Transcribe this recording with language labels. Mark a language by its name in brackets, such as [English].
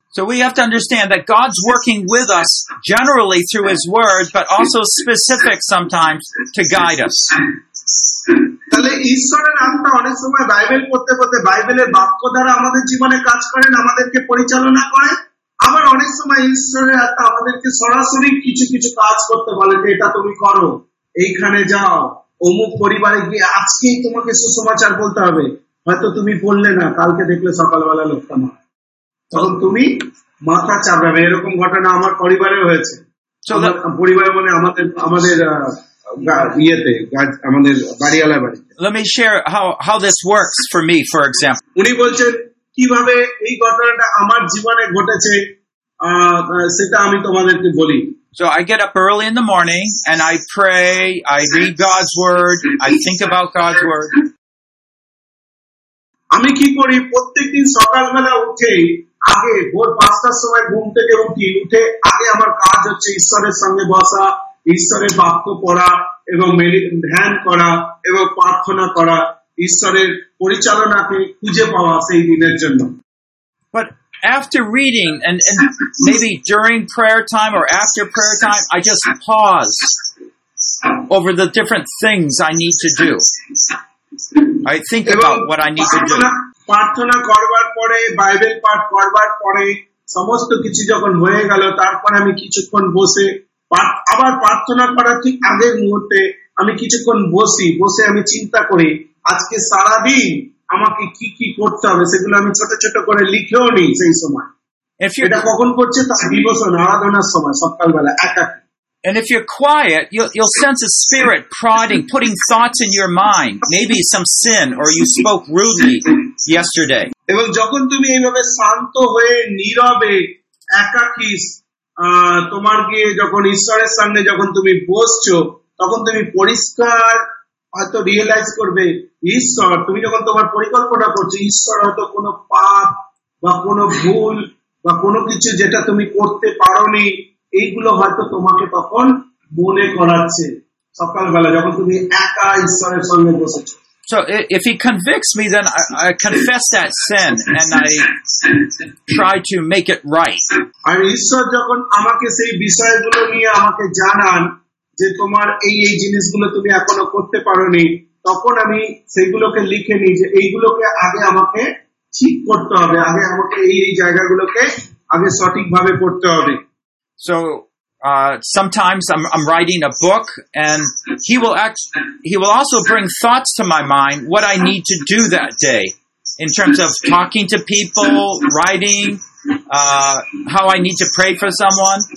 [English] So we have to understand that God's working with us generally through his word, but also specific sometimes to guide us. [Bangla] তাহলে ঈশ্বরের আত্মা অনেক সময় Bible পড়তে পড়তে বাইবেলের বাক্য দ্বারা আমাদের জীবনে কাজ করেন, আমাদেরকে পরিচালনা করেন, আবার অনেক সময় ঈশ্বরের আত্মা আমাদেরকে সরাসরি কিছু কিছু কাজ করতে বলে যে এটা তুমি করো, এইখানে যাও, অমুক পরিবারে গিয়ে আজকেই তোমাকে সুসমাচার বলতে হবে, হয়তো তুমি বললে না, কালকে দেখলে সকালবেলা লোকটা না, তখন তুমি মাথা চাপাবে, এরকম ঘটনা আমার পরিবারে হয়েছে, পরিবারে মানে আমাদের আমাদের ইয়েতে আমাদের বাড়িওয়ালা বাড়িতে। [English] Let me share how this works for me, for example. [Bangla] উনি বলছেন কিভাবে এই ঘটনাটা আমার জীবনে ঘটেছে সেটা আমি তোমাদেরকে বলি। [English] So I get up early in the morning and I pray, I read God's word, I think about God's word. [Bangla] আমি কি করি প্রত্যেকদিন সকালবেলা উঠে আগে ভোর 5 সময় ঘুম থেকে উঠি, উঠে আগে আমার কাজ হচ্ছে ঈশ্বরের সঙ্গে বসা, ঈশ্বরের বাক্য পড়া এবং ধ্যান করা এবং প্রার্থনা করা, ঈশ্বরের পরিচালনাকে খুঁজে পাওয়া সেই দিনের জন্য। [English] But after reading and maybe during prayer time or after prayer time, I just pause over the different things I need to do. I think about what I need to do. [Bangla] প্রার্থনা করবার পরে, Bible পাঠ করবার পরে, সমস্ত কিছু যখন হয়ে গেল, তারপরে আমি কিছুক্ষণ বসে আবার প্রার্থনা করার ঠিক আগের মুহূর্তে আমি কিছুক্ষণ বসি, বসে আমি চিন্তা করি আজকে সারাদিন আমাকে কি কি করতে হবে, সেগুলো আমি ছোট ছোট করে লিখেও নিই সেই সময়। [English] If you're [Bangla] কখন করছে তা বিবসন আরাধনার সময় সকালবেলা একাকি। [English] And if you're quiet, you'll sense a spirit prodding, putting thoughts in your mind. Maybe some sin, or you spoke rudely yesterday. [Bangla] এবং যখন তুমি এইভাবে শান্ত হয়ে নীরবে একাকী তোমার গিয়ে যখন ঈশ্বরের সামনে যখন তুমি বসছো, তখন তুমি পরিষ্কার হয়তো রিয়েলাইজ করবে ঈশ্বর, তুমি যখন তোমার পরিকল্পনা করছো, ঈশ্বর হয়তো কোনো পাপ বা কোনো ভুল বা কোনো কিছু যেটা তুমি করতে পারোনি এইগুলো হয়তো তোমাকে তখন মনে করাচ্ছে সকালবেলা যখন তুমি একা ঈশ্বরের সঙ্গে বসেছো। [English] So if he convicts me, then I confess that sin and I try to make it right. [Bangla] আর ঈশ্বর যখন আমাকে সেই বিষয়গুলো নিয়ে আমাকে জানান যে তোমার এই এই জিনিসগুলো তুমি এখনো করতে পারোনি, তখন আমি সেইগুলোকে লিখে নিই যে এইগুলোকে আগে আমাকে ঠিক করতে হবে, আগে আমাকে এই এই জায়গাগুলোকে আগে সঠিকভাবে করতে হবে। [English] So sometimes I'm writing a book and he will also bring thoughts to my mind what I need to do that day in terms of talking to people, writing, how I need to pray for someone.